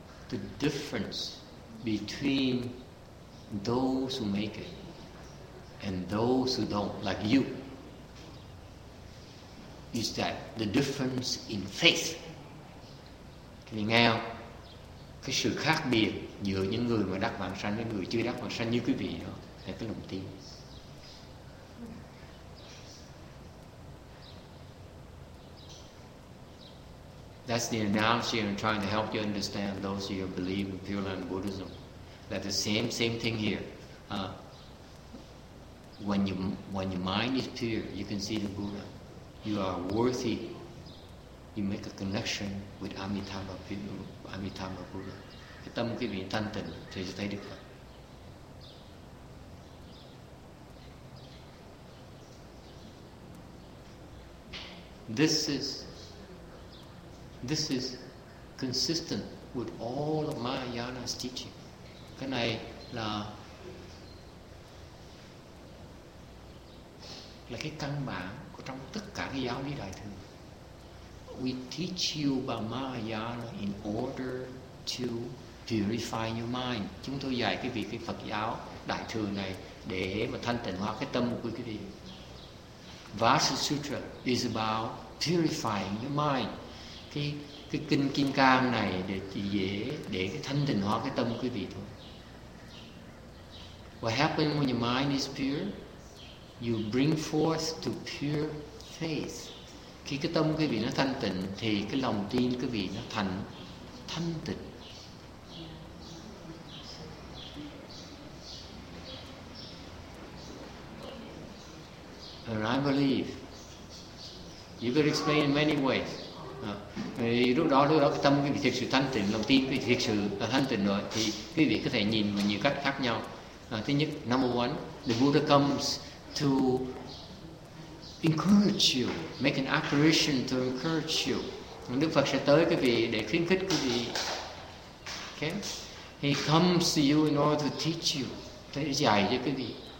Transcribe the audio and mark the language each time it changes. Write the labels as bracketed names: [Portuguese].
[English] The difference between those who make it and those who don't, like you, is that the difference in faith. Can you hear? [Vietnamese] Cái sự khác biệt giữa những người mà đắc vãng sanh với người chưa đắc vãng sanh như quý vị đó là cái lòng tin. [English] That's the analogy I'm trying to help you understand, those who believe in Pure Land Buddhism. That the same thing here. When your mind is pure, you can see the Buddha. You are worthy. You make a connection with Amitabha Buddha. [Vietnamese] Cái tâm quý vị thanh tịnh thì sẽ thấy được Phật. [English] This is consistent with all of Mahayana's teaching. [Vietnamese] Cái này là cái căn bản của trong tất cả cái giáo lý đại thừa. [English] We teach you about Mahayana in order to purify your mind. [Vietnamese] Chúng tôi dạy cái việc cái Phật giáo đại thừa này để mà thanh tịnh hóa cái tâm của quý vị. [English] Vajra Sutra is about purifying your mind. [Vietnamese] Cái kinh Kim Cang này để chỉ dễ để cái thanh tịnh hóa cái tâm của quý vị thôi. [English] What happens when your mind is pure? You bring forth to pure faith. [Vietnamese] Khi cái tâm quý vị nó thanh tịnh thì cái lòng tin quý vị nó thành thanh tịnh. [English] And I believe. You could explain in many ways. [Vietnamese] Lúc đó cái tâm quý vị thực sự thanh tịnh, lòng tin quý vị thực sự thanh tịnh rồi thì quý vị có thể nhìn vào nhiều cách khác nhau. Thứ nhất, [English] number one, the Buddha comes to encourage you, make an apparition to encourage you. [Vietnamese] Đức Phật sẽ tới quý vị để khuyến khích quý vị. [English] Okay? He comes to you in order to teach you, [Vietnamese] để dạy cho quý vị.